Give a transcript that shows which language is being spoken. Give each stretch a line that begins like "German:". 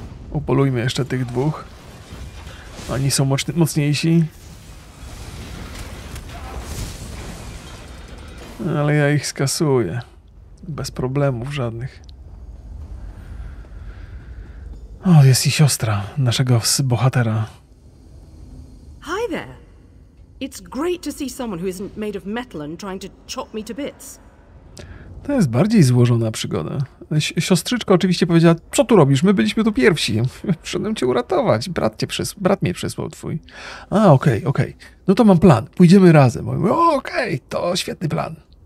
Polish: Upolujmy jeszcze tych dwóch. Oni są mocniejsi. Ale ja ich skasuję. Bez problemów żadnych. O, jest i siostra naszego bohatera.
English: Hi there. It's great to see someone who isn't made of metal and trying to chop me to bits.
Polish: To jest bardziej złożona przygoda. Siostrzyczka oczywiście powiedziała, co tu robisz? My byliśmy tu pierwsi. Przyszedłem cię uratować. Brat mnie przysłał twój. A, okej. No to mam plan. Pójdziemy razem. Okej, to świetny plan.